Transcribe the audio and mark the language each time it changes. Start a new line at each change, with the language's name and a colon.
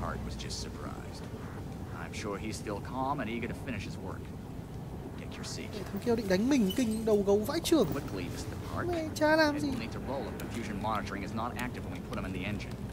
English: Park was just surprised. I'm sure he's still calm and eager to finish his work. Take your seat.
Vietnamese: Thằng kia định đánh mình, kinh đầu gấu vãi trưởng. Mẹ cha làm gì?
English: We need to roll up. The fusion monitoring is not active when we put him in the engine.